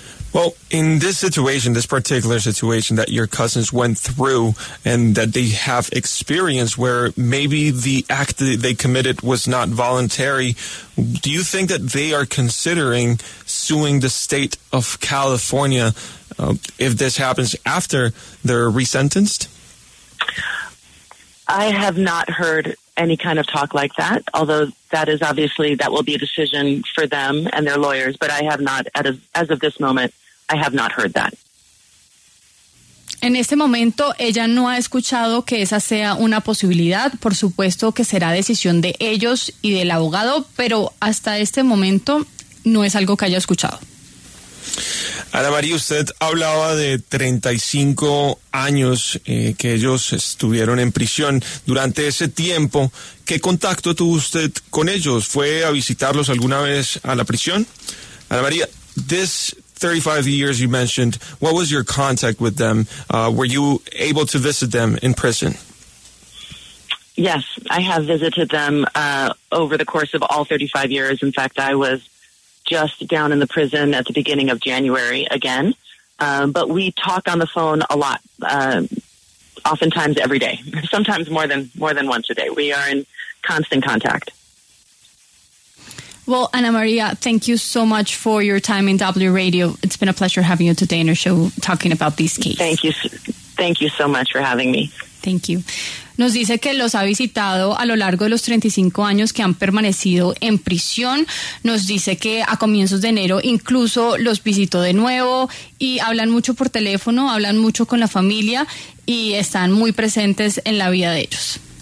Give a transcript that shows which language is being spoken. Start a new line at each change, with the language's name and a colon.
English: Well, in this situation, this particular situation that your cousins went through and that they have experienced, where maybe the act that they committed was not voluntary, do you think that they are considering suing the state of California if this happens after they're resentenced? I have not heard any kind of talk like that, although that is obviously, that will be a decision for them and their lawyers, but I have not, as of this moment, I have not heard that.
Spanish: En este momento, ella no ha escuchado que esa sea una posibilidad. Por supuesto que será decisión de ellos y del abogado, pero hasta este momento no es algo que haya escuchado. Ana María, usted hablaba de 35 años que ellos estuvieron en prisión. Durante ese tiempo, ¿qué contacto tuvo usted con ellos? ¿Fue a visitarlos alguna vez a la prisión?
English: Ana María, this 35 years you mentioned, what was your contact with them? Were you able to visit them in prison? Yes, I have visited them over the course of all 35 years. In fact, I was just down in the prison at the beginning of January again. But we talk on the phone a lot, oftentimes every day, sometimes more than once a day. We are in constant contact. Well, Ana María, thank you so much for your time in W Radio. It's been a pleasure having you today in our show talking about these cases. Thank you so much for having me. Thank you.
Spanish: Nos dice que los ha visitado a lo largo de los 35 años que han permanecido en prisión. Nos dice que a comienzos de enero incluso los visitó de nuevo y hablan mucho por teléfono, hablan mucho con la familia y están muy presentes en la vida de ellos.